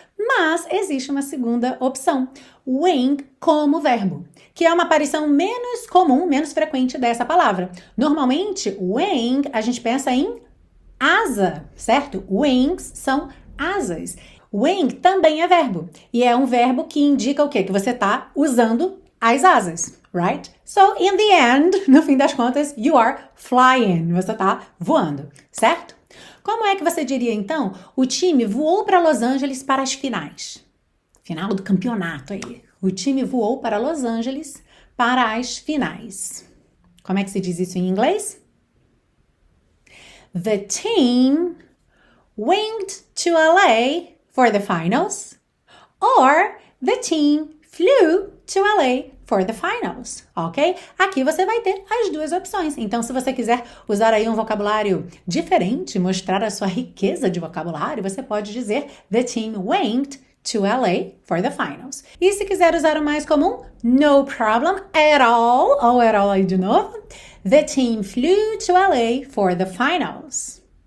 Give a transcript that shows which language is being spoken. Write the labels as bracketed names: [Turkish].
[Portuguese] Mas existe uma segunda opção, wing como verbo, que é uma aparição menos comum, menos frequente dessa palavra. Normalmente, wing, a gente pensa em asa, certo? Wings são asas. Wing também é verbo, e é um verbo que indica o quê? Que você está usando as asas. [English] Right? So, in the end, [Portuguese] no fim das contas, [English] you are flying. [Portuguese] Você tá voando, certo? Como é que você diria então? O time voou para Los Angeles para as finais. Final do campeonato aí. O time voou para Los Angeles para as finais. Como é que se diz isso em inglês? [English] The team winged to LA for the finals, or the team flew to LA for the finals, ok? [Portuguese] Aqui você vai ter as duas opções. Então, se você quiser usar aí um vocabulário diferente, mostrar a sua riqueza de vocabulário, você pode dizer [English] the team winged to LA for the finals. [Portuguese] E se quiser usar o mais comum, [English] no problem at all, [Portuguese] ou at all aí de novo, [English] the team flew to LA for the finals.